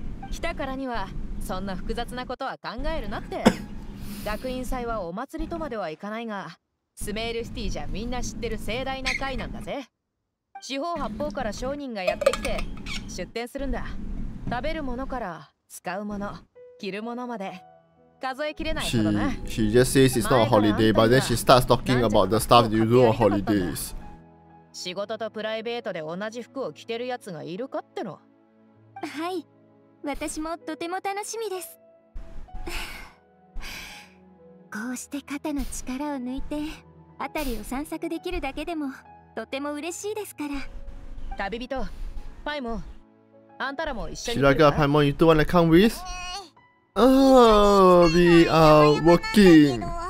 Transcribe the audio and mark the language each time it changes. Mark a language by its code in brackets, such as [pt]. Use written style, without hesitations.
[ja] 来たからには、そんな複雑なことは考えるなって。学院祭はお祭りとまではいかないが、スメールシティじゃみんな知ってる盛大な会なんだぜ。四方八方から商人がやってきて、出店するんだ。食べるものから、使うもの、着るものまで。 [en] She just says it's not a holiday, but then she starts talking about the stuff you do on holidays. [ja] 仕事とプライベートで同じ服を着てるやつがいるかっての。はい、私もとても楽しみです。こうして肩の力を抜いて、あたりを散策できるだけでもとても嬉しいですから。旅人、パイモン、あんたらも一緒に。 [en] She's like, パイモン、you two wanna come with? Oh, we are working.